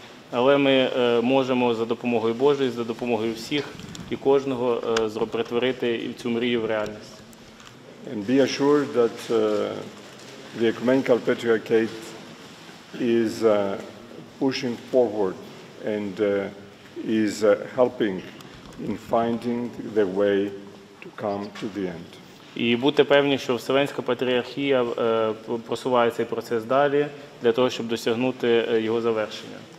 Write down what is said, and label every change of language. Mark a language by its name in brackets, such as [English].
[Ukrainian] Але ми можемо за допомогою Божої, за допомогою всіх і кожного перетворити цю мрію в реальність. [English] And be assured that the Ecumenical Patriarchate is pushing forward and is helping in finding the way to come to the end. [Ukrainian] І бути певні, що Вселенська патріархія просуває цей процес далі для того, щоб досягнути його завершення.